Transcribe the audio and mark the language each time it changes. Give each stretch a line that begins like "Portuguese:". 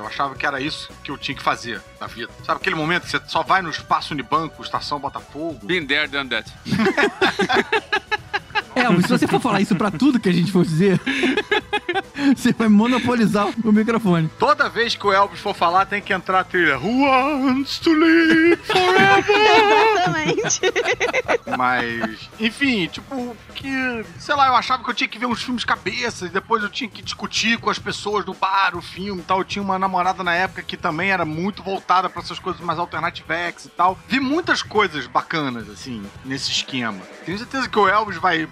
Portuguese: Eu achava que era isso que eu tinha que fazer na vida. Sabe aquele momento que você só vai no espaço Unibanco, estação Botafogo?
English: Been there, done that.
Portuguese: Elvis, se você for falar isso pra tudo que a gente for dizer, você vai monopolizar o microfone. Toda vez que o Elvis for falar, tem que entrar a trilha.
English: Who wants to live forever?
Portuguese: Exatamente. Mas, enfim, tipo, que, sei lá, eu achava que eu tinha que ver uns filmes cabeças, depois eu tinha que discutir com as pessoas do bar, o filme e tal. Eu tinha uma namorada na época que também era muito voltada pra essas coisas mais alternativex e tal. Vi muitas coisas bacanas, assim, nesse esquema. Tenho certeza que o Elvis vai...